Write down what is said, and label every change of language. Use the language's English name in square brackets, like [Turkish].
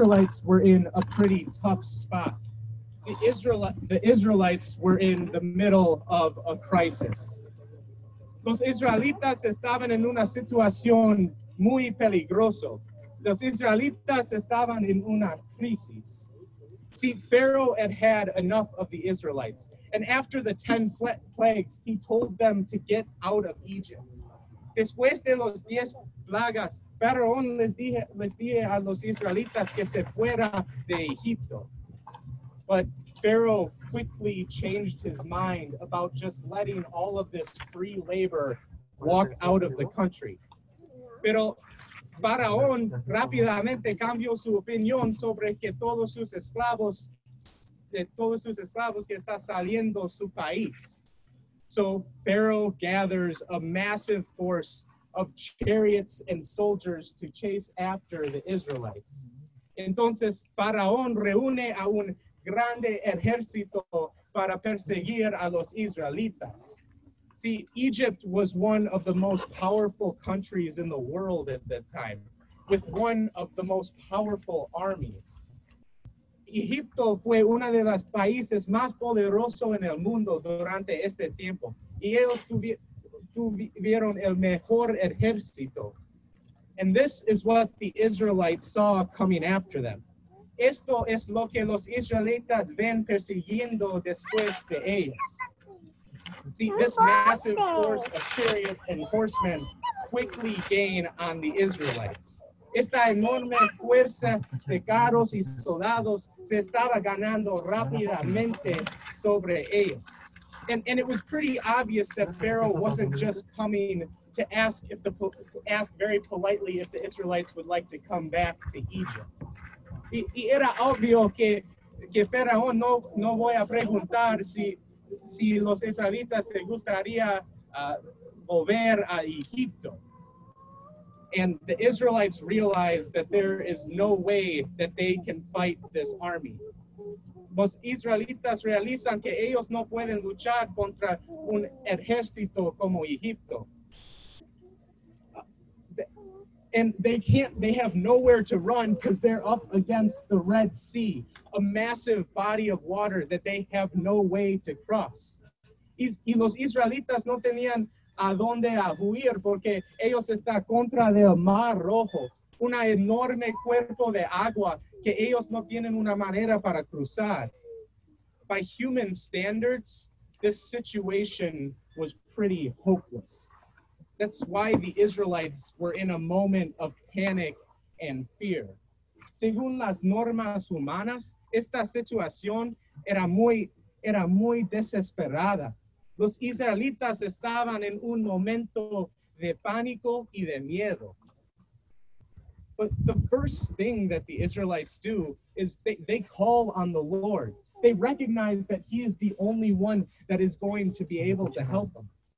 [English] The Israelites were in a pretty tough spot. The Israelites were in the middle of a crisis. [Spanish] Los Israelitas estaban en una situación muy peligroso. Los Israelitas estaban en una crisis. [English] See, Pharaoh had had enough of the Israelites. And after the 10 plagues, he told them to get out of Egypt. [Spanish] Después de los 10 plagas, Faraón les dije a los Israelitas que se fuera de Egipto. [English] But Pharaoh quickly changed his mind about just letting all of this free labor walk out of the country. [Spanish] Pero Faraón rápidamente cambió su opinión sobre que todos sus esclavos que está saliendo su país. [English] So Pharaoh gathers a massive force of chariots and soldiers to chase after the Israelites. [Spanish] Entonces Faraón reúne a un grande ejército para perseguir a los Israelitas. [English] See, Egypt was one of the most powerful countries in the world at that time, with one of the most powerful armies. [Spanish] Egipto fue uno de los países más poderosos en el mundo durante este tiempo, y ellos tuvieron el mejor ejército. [English] And this is what the Israelites saw coming after them. [Spanish] Esto es lo que los Israelitas ven persiguiendo después de ellos. [English] See, this massive force of chariot and horsemen quickly gain on the Israelites. [Spanish] Esta enorme fuerza de carros y soldados se estaba ganando rápidamente sobre ellos. [English] And it was pretty obvious that Pharaoh wasn't just coming to ask very politely if the Israelites would like to come back to Egypt. [Spanish] Y era obvio que Faraón no voy a preguntar si los israelitas se gustaría volver a Egipto. [English] And the Israelites realize that there is no way that they can fight this army. [Spanish] Los israelitas realizan que ellos no pueden luchar contra un ejército como Egipto. [English] And they have nowhere to run because they're up against the Red Sea, a massive body of water that they have no way to cross. [Spanish] Y los israelitas no tenían a dónde huir porque ellos están contra el Mar Rojo, un enorme cuerpo de agua que ellos no tienen una manera para cruzar. [English] By human standards, this situation was pretty hopeless. That's why the Israelites were in a moment of panic and fear. [Spanish] Según las normas humanas, esta situación era muy desesperada. Los israelitas estaban en un momento de pánico y de miedo. [English] But the first thing that the Israelites do is they call on the Lord. They recognize that he is the only one that is going to be able to help them.